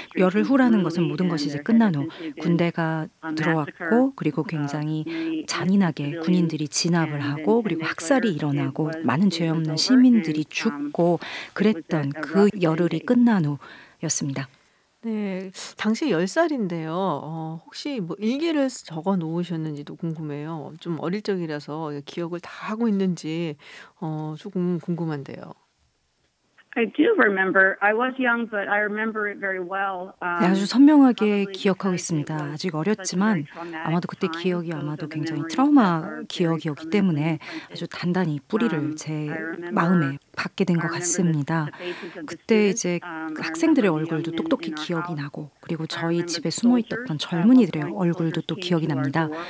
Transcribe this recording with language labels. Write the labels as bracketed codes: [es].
[ko] 열흘 후라는 것은 모든 것이 이제 끝난 후 군대가 들어왔고 그리고 굉장히 잔인하게 군인들이 진압을 하고 그리고 학살이 일어나고 많은 죄 없는 시민들이 죽고 그랬던 그 열흘이 끝난 후였습니다. 네, 당시 10살인데요. 혹시 뭐 일기를 적어 놓으셨는지도 궁금해요. 좀 어릴 적이라서 기억을 다 하고 있는지 조금 궁금한데요. [en] I do remember. I was young, but I remember it very well. [ko] 네, 아주 선명하게 기억하고 있습니다. 아직 어렸지만 아마도 그때 기억이 아마도 굉장히 트라우마 기억이었기 때문에 아주 단단히 뿌리를 제 마음에 받게 된 것 같습니다. 그때 이제 학생들의 얼굴도 똑똑히 기억이 나고 그리고 저희 집에 숨어있던 젊은이들의 얼굴도 또 기억이 납니다.